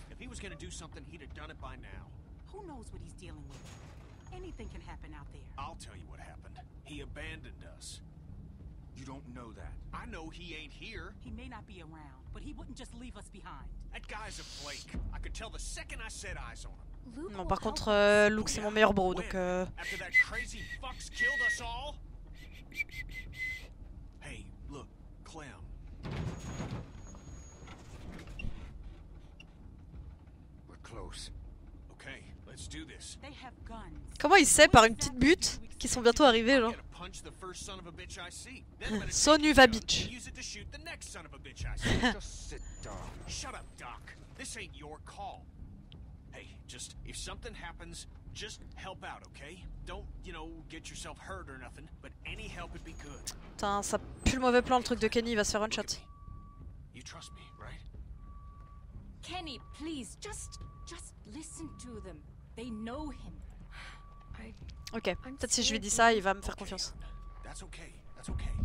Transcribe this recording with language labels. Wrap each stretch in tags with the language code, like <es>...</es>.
<en>If he was gonna do something, he'd have done it by now. Who knows what he's dealing with? Anything can happen out there. I'll tell you what happened. He abandoned us. You don't know that. I know he ain't here. He may not be around, but he wouldn't just leave us behind. That guy's a flake. I could tell the second I set eyes on him.</en> <fr>Luke, non, par contre, Luke, c'est mon meilleur bro, donc.</fr> <en>After that crazy fuck's killed us all. Hey, look, Clem. We're close. Okay, let's do this. They have guns.</en> <fr>Comment il sait par une petite butte qu'ils sont bientôt arrivés, genre?</fr> <en>Punch the first son of a bitch I see. Sonu va bitch. Use it to shoot the next son of a bitch I see. Just sit down. Shut up, Doc. This ain't your call. Hey, just if something happens, just help out, okay? Don't, you know, get yourself hurt or nothing, but any help would be good.</en> <fr>Putain, ça pue le mauvais plan, le truc de Kenny, il va se faire one shot.</fr> <en>You trust me, right? Kenny, please, just listen to them. They know him.</en> <fr>Ok, peut-être si je lui dis ça, il va me faire confiance. Ok.</fr>